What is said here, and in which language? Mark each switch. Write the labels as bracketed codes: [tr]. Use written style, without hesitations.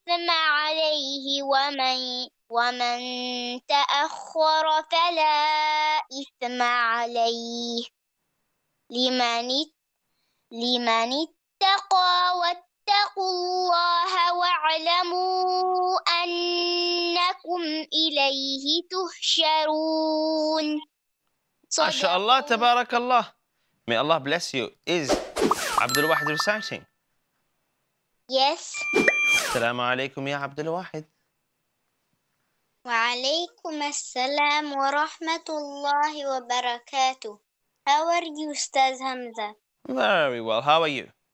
[ar] عليه ومن تأخر فلا إثم عليه لمن اتقى واتقوا الله واعلموا أنكم إليه تحشرون. ما شاء الله تبارك الله. [en] May Allah bless you. Is Abdul Wahid reciting? Yes. [ar] السلام عليكم يا عبد الواحد. وعليكم السلام ورحمة الله وبركاته. [en] How are you, Ustaz Hamza? Very well. How are you?